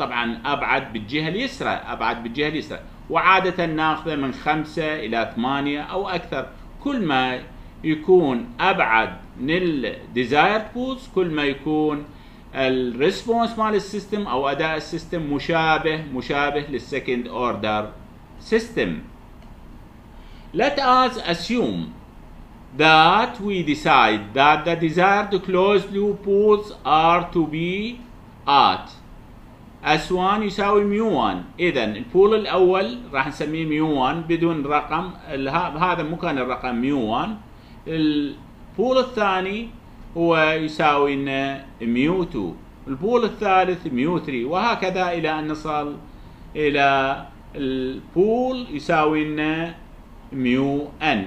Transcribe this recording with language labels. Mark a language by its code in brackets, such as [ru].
[ar] طبعا ابعد بالجهه اليسرى، ابعد بالجهه اليسرى، وعاده ناخذه من 5 إلى 8 او اكثر. كل ما يكون ابعد من الديزايرد بولز كل ما يكون الريسبونس مال السيستم او اداء السيستم مشابه للسكند اوردر سيستم. [en] Let us assume that we decide that the desired closed loop pools are to be at S1 يساوي mu1. [ar] إذن البول الأول راح نسميه mu1 بدون رقم، هذا مكان الرقم mu1. البول الثاني هو يساوي mu2، البول الثالث mu3، وهكذا إلى أن نصل إلى البول يساوي ميو ان.